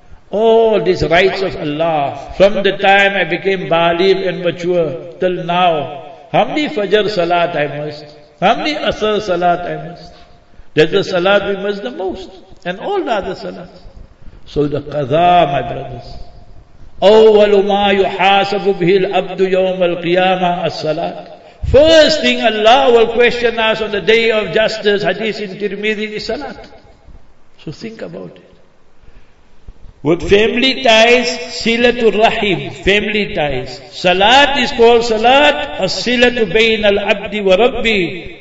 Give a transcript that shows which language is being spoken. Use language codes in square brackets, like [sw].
[en] All these rights of Allah, from the time I became baligh and mature, till now, how many Fajr Salat I missed? How many Asr Salat I missed? That's the Salat we miss the most. And all the other Salats. So the Qadha, my brothers. [ar] أَوَّلُ مَا يُحَاسَبُ بِهِ الْأَبْدُ يَوْمَ الْقِيَامَةِ As-salat. [en] First thing Allah will question us on the day of justice, hadith in Tirmidhi, is salat. So think about it. With family ties, silatul rahim, family ties. Salat is called salat, [ar] as-silatu bayn al-abdi wa rabbi.